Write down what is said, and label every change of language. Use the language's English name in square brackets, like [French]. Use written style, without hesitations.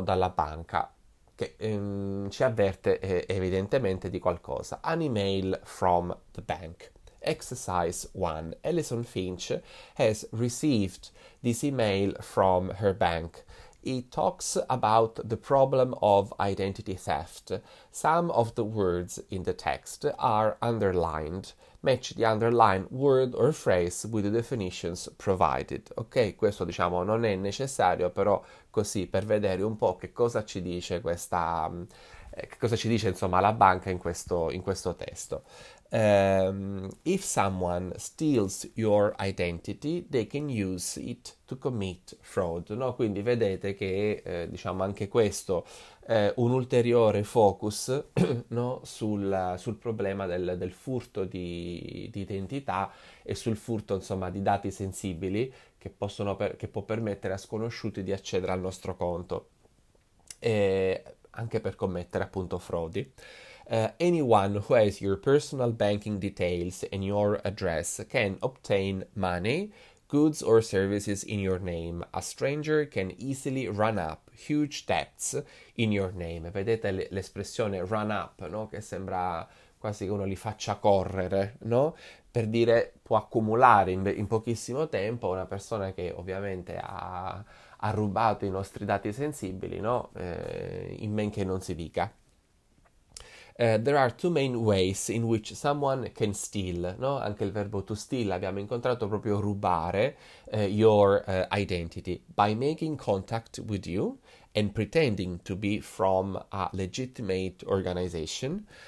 [Italian] Dalla banca che ci avverte evidentemente di qualcosa. [English] An email from the bank. Exercise 1. Alison Finch has received this email from her bank. It talks about the problem of identity theft. Some of the words in the text are underlined. Match the underlined word or phrase with the definitions provided. [Italian] Ok, questo diciamo non è necessario, però così per vedere un po' che cosa ci dice che cosa ci dice insomma la banca in questo testo. [English] If someone steals your identity, they can use it to commit fraud, no? [Italian] Quindi vedete che, diciamo, anche questo è un ulteriore focus, no? Sul problema del furto di identità e sul furto, insomma, di dati sensibili che può permettere a sconosciuti di accedere al nostro conto, anche per commettere, appunto, frodi. [English] Anyone who has your personal banking details and your address can obtain money, goods or services in your name. A stranger can easily run up huge debts in your name. [Italian] Vedete l'espressione run up, no? Che sembra quasi che uno li faccia correre, no? Per dire può accumulare in pochissimo tempo una persona che ovviamente ha rubato i nostri dati sensibili, no? In men che non si dica. [English] There are two main ways in which someone can steal, no? [Italian] Anche il verbo [English] to steal [Italian] abbiamo incontrato proprio rubare, [English] your identity, by making contact with you and pretending to be from a legitimate organization.